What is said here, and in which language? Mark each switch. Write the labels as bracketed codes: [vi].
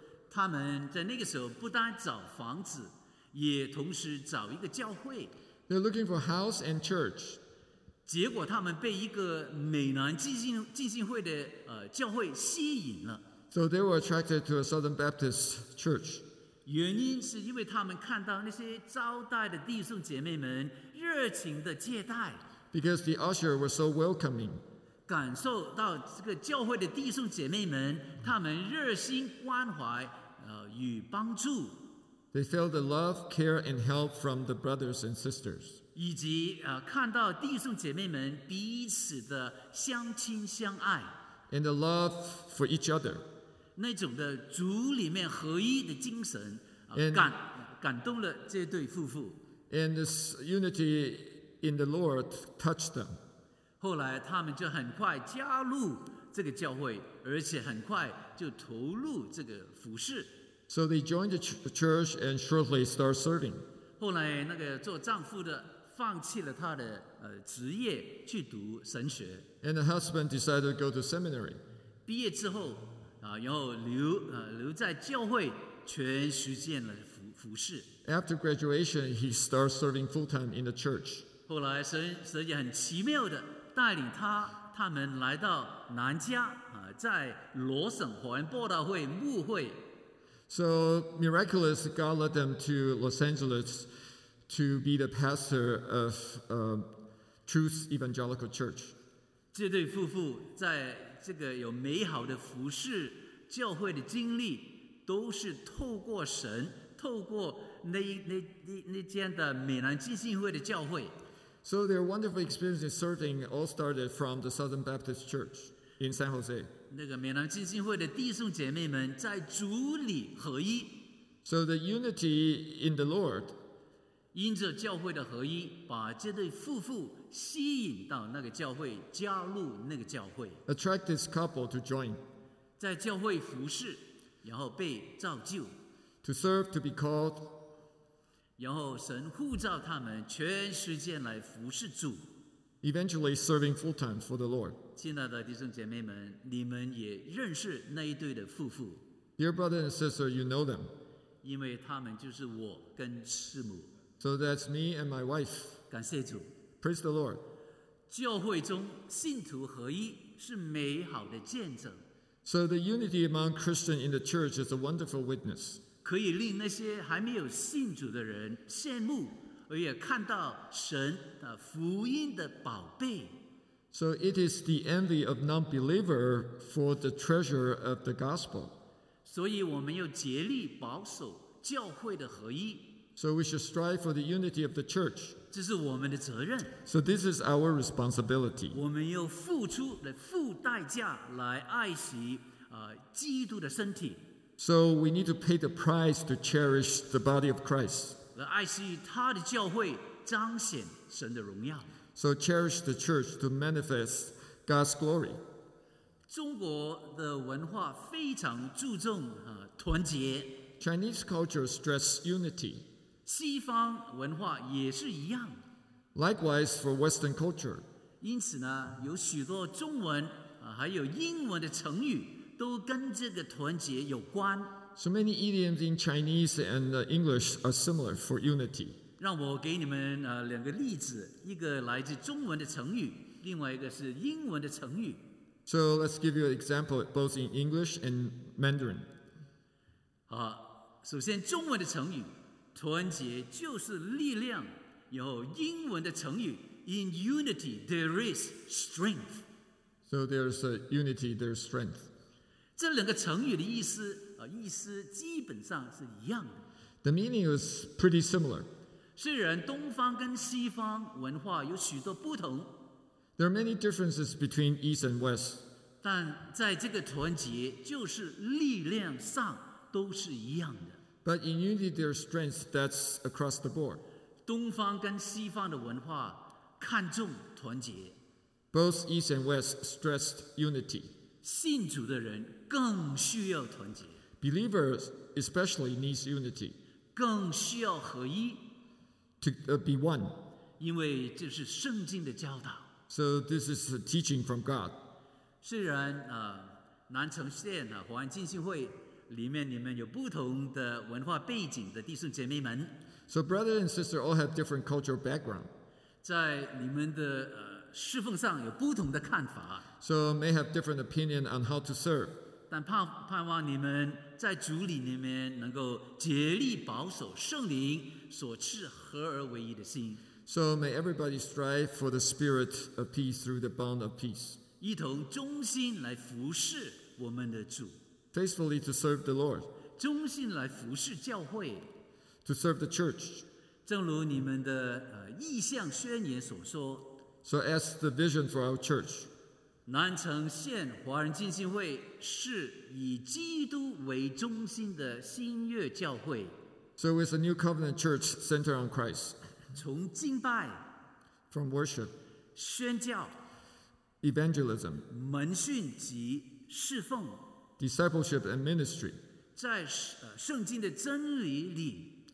[zh] 他们在那个时候不单找房子，也同时找一个教会。 [en] They're looking for house and church. [zh] 结果他们被一个美南浸信会的教会吸引了。 [en] So they were attracted to a Southern Baptist church. [zh] 原因是因为他们看到那些招待的弟兄姐妹们热情的接待， [en] because the usher was so welcoming， [zh] 感受到这个教会的弟兄姐妹们，他们热心关怀与帮助， [en] they felt the love, care, and help from the brothers and sisters， [zh] 以及看到弟兄姐妹们彼此的相亲相爱， [en] and the love for each other， [zh] 那种的主里面合一的精神，感动了这对夫妇。 [en] And this unity in the Lord touched them. [zh] 后来他们就很快加入这个教会，而且很快就投入这个服事。 [en] So they joined the church and shortly started serving. [zh] 后来那个做丈夫的放弃了他的职业去读神学。 [en] And the husband decided to go to seminary. [zh] 毕业之后然后留在教会全时间了服事。 [en] After graduation, he starts serving full-time in the church. [zh] 后来神也很奇妙的带领他们来到南加，在罗省华人布道会牧会。 [en] So miraculous, God led them to Los Angeles to be the pastor of Truth Evangelical Church. [zh] 这对夫妇在这个有美好的服事教会的经历，都是透过神，透过那间的美南浸信会的教会。 [en] So their wonderful experience in serving all started from the Southern Baptist Church in San Jose. [zh] 那个美南浸信会的弟兄姐妹们在主里合一。 [en] So the unity in the Lord. [zh] 因着教会的合一，把这对夫妇吸引到那个教会，加入那个教会。 [en] Attract this couple to join. [zh] 在教会服事，然后被造就。 [en] To serve, to be called. [zh] 然后神呼召他们全时间来服侍主。 [en] Eventually serving full time for the Lord. [zh] 亲爱的弟兄姐妹们，你们也认识那一对的夫妇。 [en] Dear brother and sister, you know them. [zh] 因为他们就是我跟师母。 [en] So that's me and my wife. [zh] 感谢主。 [en] Praise the Lord. [zh] 教会中信徒合一是美好的见证。 [en] So the unity among Christians in the church is a wonderful witness. [zh] 可以令那些还没有信主的人羡慕，而也看到神的福音的宝贝。 [en] So it is the envy of non-believer for the treasure of the gospel. [zh] 所以我们要竭力保守教会的合一。 [en] So we should strive for the unity of the church. [zh] 这是我们的责任。 [en] So this is our responsibility. [zh] 我们要付出的付代价来爱惜基督的身体。 [en] So we need to pay the price to cherish the body of Christ. [zh] 来爱惜他的教会，彰显神的荣耀。 [en] So cherish the church to manifest God's glory. [zh] 中国的文化非常注重团结。 [en] Chinese culture stress unity. [zh] 西方文化也是一样。 [en] Likewise for Western culture. [zh] 因此呢，有许多中文还有英文的成语都跟这个团结有关。 [en] So many idioms in Chinese and English are similar for unity. [zh] 让我给你们两个例子，一个来自中文的成语，另外一个是英文的成语。 [en] So let's give you an example both in English and Mandarin. [zh] 好，首先中文的成语，团结就是力量。然后英文的成语 [en] ，In unity there is strength. So there's a unity, there's strength. [zh] 这两个成语的意思意思基本上是一样的。 [en] The meaning is pretty similar. [zh] 虽然东方跟西方文化有许多不同 [en] ，There are many differences between East and West. [zh] 但在这个团结就是力量上都是一样的。 [en] But in unity, there are strengths that's across the board. [zh] 东方跟西方的文化看重团结。 [en] Both East and West stressed unity. [zh] 信主的人更需要团结。 [en] Believers especially needs unity. [zh] 更需要合一。 [en] To be one. [zh] 因为这是圣经的教导。 [en] So this is a teaching from God. [zh] 虽然南城县华安浸信会里面你们有不同的文化背景的弟兄姐妹们。 [en] So brother and sister all have different cultural background. [zh] 在你们的侍奉上有不同的看法。 [en] So may have different opinion on how to serve. [zh] 但盼望你们在主里里面能够竭力保守圣灵所赐合而为一的心。 [en] So may everybody strive for the spirit of peace through the bond of peace. [zh] 一同忠心来服侍我们的主。 [en] Faithfully to serve the Lord. [zh] 忠心来服侍教会。 [en] To serve the church. [zh] 正如你们的意向宣言所说。 [en] So as the vision for our church. [zh] 南城县华人浸信会是以基督为中心的新约教会。 [en] So it's a new covenant church centered on Christ. [zh] 从敬拜。 [en] From worship. [zh] 宣教。 [en] Evangelism. [zh] 门训及侍奉。 [en] Discipleship and ministry. [zh] 在圣经的真理里。